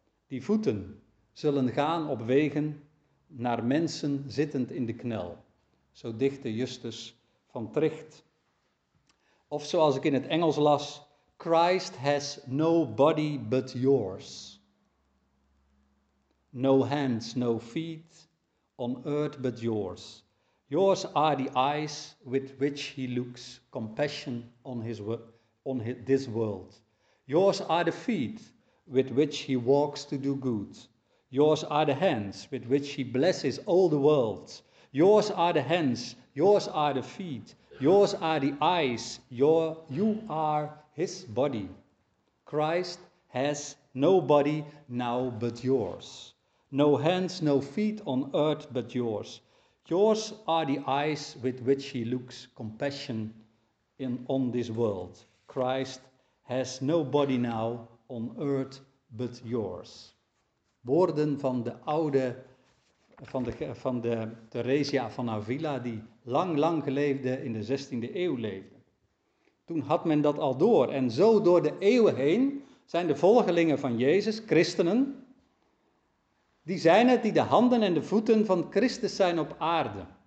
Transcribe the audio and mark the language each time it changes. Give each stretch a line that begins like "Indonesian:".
Dutch: Die voeten zullen gaan op wegen naar mensen zittend in de knel. Zo dichtte Justus van Tricht. Of zoals ik in het Engels las,
English: Christ has no body but yours. No hands, no feet, on earth but yours. Yours are the eyes with which he looks compassion on this world. Yours are the feet with which he walks to do good. Yours are the hands with which he blesses all the world. Yours are the hands, yours are the feet, yours are the eyes, you are his body. Christ has no body now but yours. No hands, no feet on earth but yours. Yours are the eyes with which he looks compassion on this world. Christ has no body now on earth but yours.
Dutch: Woorden van de oude, van de Theresia van Avila, die lang, lang geleefde, in de 16e eeuw leefde. Toen had men dat al door. En zo door de eeuwen heen zijn de volgelingen van Jezus, christenen, die zijn het die de handen en de voeten van Christus zijn op aarde.